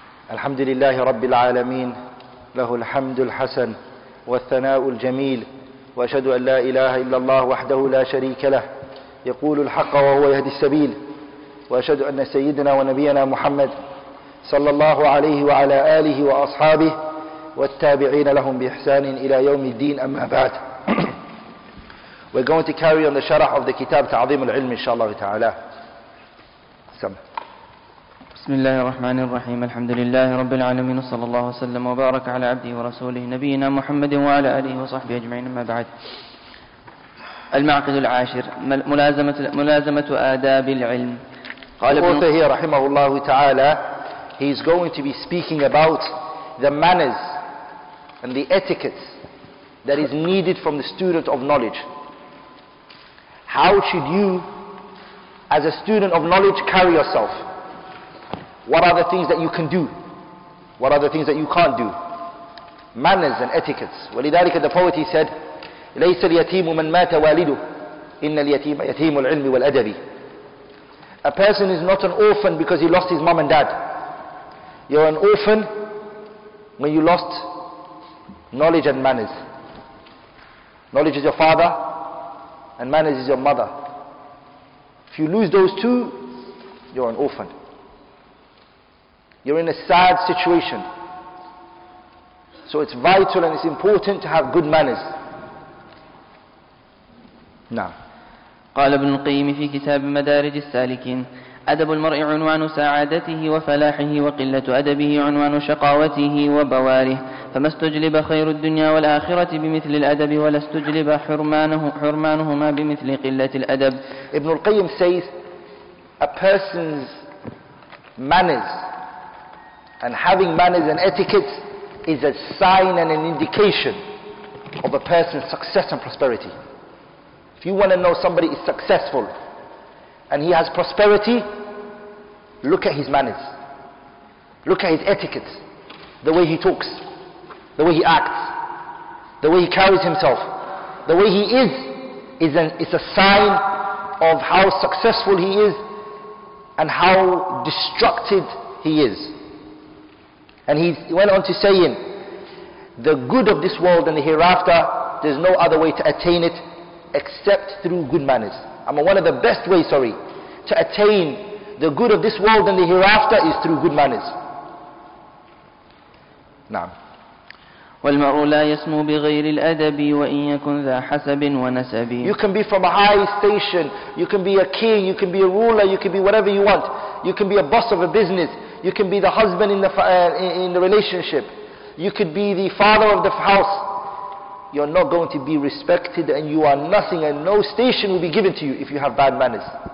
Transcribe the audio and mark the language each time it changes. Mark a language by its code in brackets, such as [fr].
[ar] الحمد لله رب العالمين له الحمد الحسن والثناء الجميل وأشهد أن لا إله إلا الله وحده لا شريك له يقول الحق وهو يهدي السبيل وأشهد أن سيدنا ونبينا محمد صلى الله عليه وعلى آله وأصحابه والتابعين لهم بإحسان إلى يوم الدين أما بعد. [en] We're going to carry on the sharah of the kitab [ar] تعظيم العلم إن شاء الله تعالى. بسم الله الرحمن الرحيم الحمد لله رب العالمين صلى الله وسلم وبارك على عبده ورسوله نبينا محمد وعلى آله وصحبه أجمعين أما بعد. المعقد العاشر ملازمة آداب العلم. قال ابن القيم رحمه الله تعالى, [en] he is going to be speaking about the manners and the etiquette that is needed from the student of knowledge. How should you, as a student of knowledge, carry yourself? What are the things that you can do? What are the things that you can't do? Manners and etiquettes. [ar] ولذلك [en] the poet he said, [ar] ليس اليتيم من مات والده إن اليتيم يتيم العلم والأدب. [en] A person is not an orphan because he lost his mom and dad. You're an orphan when you lost knowledge and manners. Knowledge is your father and manners is your mother. If you lose those two, you're an orphan. You're in a sad situation. So it's vital and it's important to have good manners. [ar] نعم. قال ابن القيم في كتاب مدارج السالكين, أدب المرء عنوان سعادته وفلاحه, وقلة أدبه عنوان شقاوته وبواره. فما استجلب خير الدنيا والآخرة بمثل الأدب, ولا استجلب حرمانهما بمثل قلة الأدب. [en] ابن القيم says, a person's manners and having manners and etiquette is a sign and an indication of a person's success and prosperity. If you want to know somebody is successful and he has prosperity, look at his manners, look at his etiquette, the way he talks, the way he acts, the way he carries himself, the way he is a sign of how successful he is and how destructive he is. And he went on to saying, the good of this world and the hereafter, there's no other way to attain it except through good manners. One of the best ways to attain the good of this world and the hereafter is through good manners. [ar] نعم. والمرء لا يسمو بغير الأدب وإن يكن ذا حسب ونسب. [en] You can be from a high station, you can be a king, you can be a ruler, you can be whatever you want. You can be a boss of a business, you can be the husband in the relationship, you could be the father of the house. You're not going to be respected and you are nothing and no station will be given to you if you have bad manners.